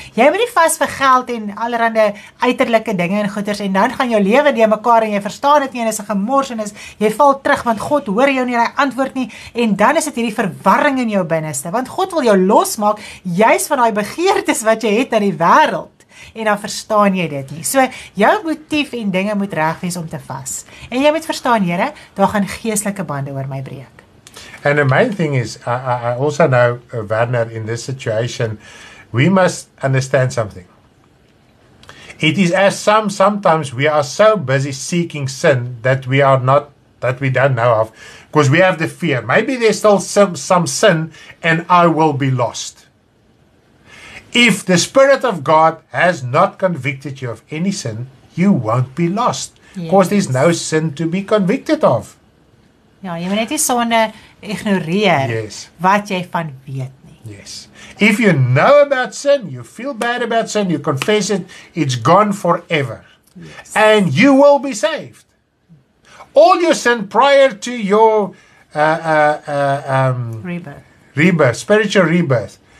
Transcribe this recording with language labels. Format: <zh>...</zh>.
<af>Jy moet nie vas vir geld en allerhande uiterlike dinge en goeders en dan gaan jou lewe deur mekaar en jy verstaan dit nie en is 'n gemors en is jy val terug want God hoor jou nie, hy antwoord nie en dan is dit hierdie verwarring in jou binneste want God wil jou losmaak juis van daai begeertes wat jy het aan die wêreld. En dan verstaan jy dit nie. So, jou motief en dinge moet reg wees om te vas. En jy moet verstaan, Here, daar gaan geestelike bande oor my breek.</af> <en>And the main thing is, I also know, Werner, in this situation, we must understand something. It is as sometimes we are so busy seeking sin that we are not, that we don't know of, because we have the fear. Maybe there's still some sin and I will be lost. If the Spirit of God has not convicted you of any sin, you won't be lost. Because yes. There's no sin to be convicted of.</en> <af>Ja, jy moet net nie sonde ignoreer wat jy van weet nie.</af> <en>Yes. If you know about sin, you feel bad about sin, you confess it, it's gone forever. Yes. And you will be saved. All your sin prior to your rebirth, spiritual rebirth.</en>